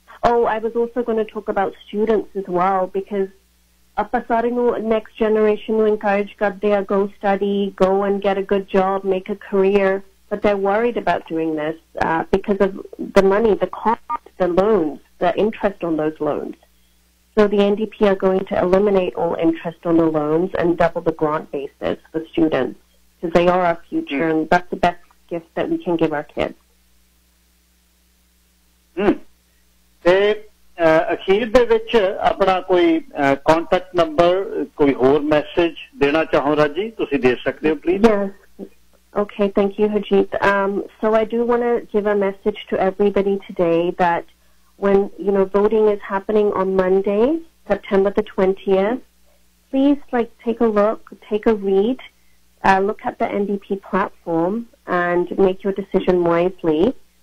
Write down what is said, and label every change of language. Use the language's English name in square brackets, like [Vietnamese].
[English] Oh, I was also going to talk about students as well, because next generation will encourage Gadea, go study, go and get a good job, make a career, but they're worried about doing this because of the money, the cost, the loans, the interest on those loans. So the NDP are going to eliminate all interest on the loans and double the grant basis for students, because they are our future, and that's the best gift that we can give our kids. [Punjabi] ਤੇ ਅਖੀਰ ਦੇ ਵਿੱਚ ਆਪਣਾ ਕੋਈ contact number, ਕੋਈ ਹੋਰ message ਦੇਣਾ ਚਾਹੋ ਰਾਜੀ, ਤੁਸੀਂ ਦੇ ਸਕਦੇ ਹੋ please? [English] Okay, thank you, Harjeet. So I do want to give a message to everybody today that when, you know, voting is happening on Monday, September the 20th, please, like, take a look, take a read, look at the NDP platform and make your decision wisely.